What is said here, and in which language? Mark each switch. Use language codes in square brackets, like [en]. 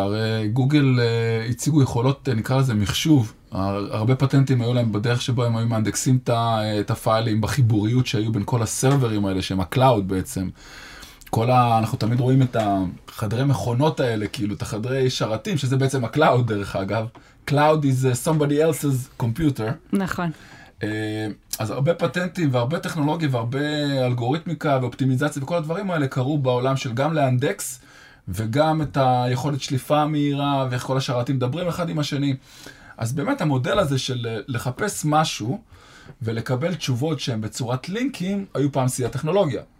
[he] הרי גוגל הציגו יכולות, נקרא לזה מחשוב. הרבה פטנטים היו להם בדרך שבו הם היו מאנדקסים את הפיילים בחיבוריות שהיו בין כל הסרברים האלה, שהם הקלאוד בעצם. כל אנחנו תמיד רואים את החדרי מכונות האלה, כאילו, את החדרי שרתים, שזה בעצם הקלאוד דרך אגב. [en] Cloud is somebody else's computer. [he] נכון. אז הרבה פטנטים והרבה טכנולוגיה והרבה אלגוריתמיקה ואופטימיזציה וכל הדברים האלה קרו בעולם של גם לאנדקס וגם את היכולת שליפה מהירה ואיך כל השרתים מדברים אחד עם השני. אז באמת המודל הזה של לחפש משהו ולקבל תשובות שהן בצורת לינקים היו פעם שיא הטכנולוגיה.